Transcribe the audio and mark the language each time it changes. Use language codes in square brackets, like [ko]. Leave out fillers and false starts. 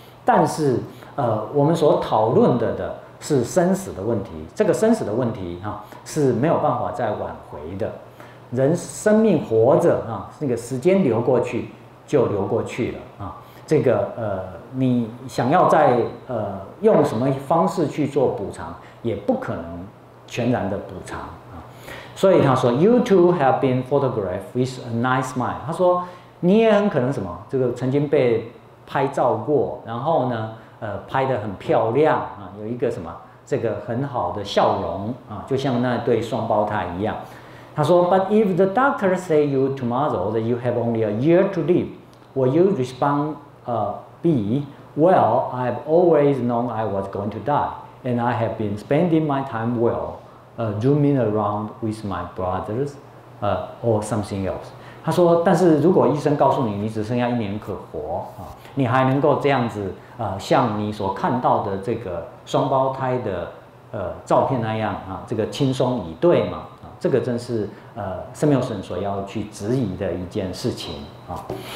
[zh] 但是我们所讨论的是生死的问题，这个生死的问题哈，是没有办法再挽回的。人生命活着啊，那个时间流过去就流过去了啊。这个你想要再用什么方式去做补偿，也不可能全然的补偿。所以他说 [en] ，You two have been photographed with a nice smile。他说，你也很可能什么，这个曾经被拍照过，然后呢，拍得很漂亮啊，有一个什么，这个很好的笑容啊，就像那对双胞胎一样。 [zh] 他说 [en] ，But if the doctor say you tomorrow that you have only a year to live, will you respond? Well, I've always known I was going to die, and I have been spending my time well. Zooming around with my brothers, or something else. [zh] 他说，但是如果医生告诉你你只剩下一年可活啊，你还能够这样子像你所看到的这个双胞胎的照片那样啊，这个轻松以对嘛啊，这个正是Samuelson 所要去质疑的一件事情啊。